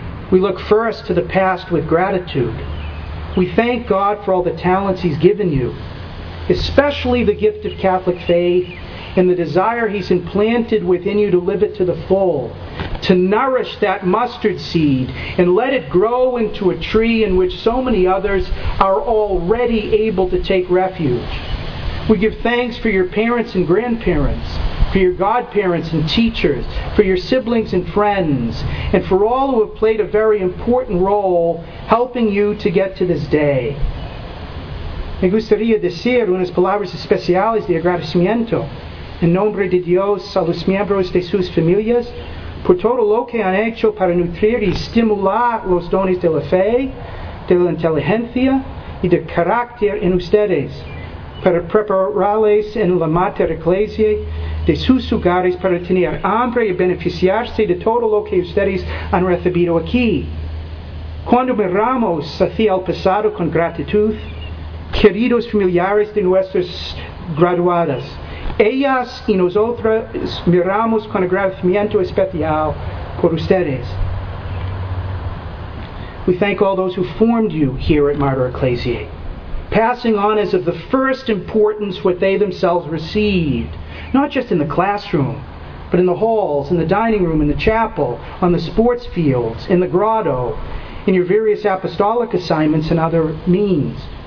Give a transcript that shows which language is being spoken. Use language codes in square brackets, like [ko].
[en] We look first to the past with gratitude. We thank God for all the talents He's given you, especially the gift of Catholic faith and the desire He's implanted within you to live it to the full, to nourish that mustard seed and let it grow into a tree in which so many others are already able to take refuge. We give thanks for your parents and grandparents, for your godparents and teachers, for your siblings and friends, and for all who have played a very important role helping you to get to this day. [es] Me gustaría decir unas palabras especiales de agradecimiento en nombre de Dios a los miembros de sus familias por todo lo que han hecho para nutrir y estimular los dones de la fe, de la inteligencia y de carácter en ustedes, para prepararles en la Mater Ecclesiae de sus hogares para tener hambre y beneficiarse de todo lo que ustedes han recibido aquí. Cuando miramos hacia el pasado con gratitud, queridos familiares de nuestras graduadas, ellas y nosotras miramos con agradecimiento especial por ustedes. [en] We thank all those who formed you here at Mater Ecclesiae, passing on as of the first importance what they themselves received, not just in the classroom, but in the halls, in the dining room, in the chapel, on the sports fields, in the grotto, in your various apostolic assignments and other means.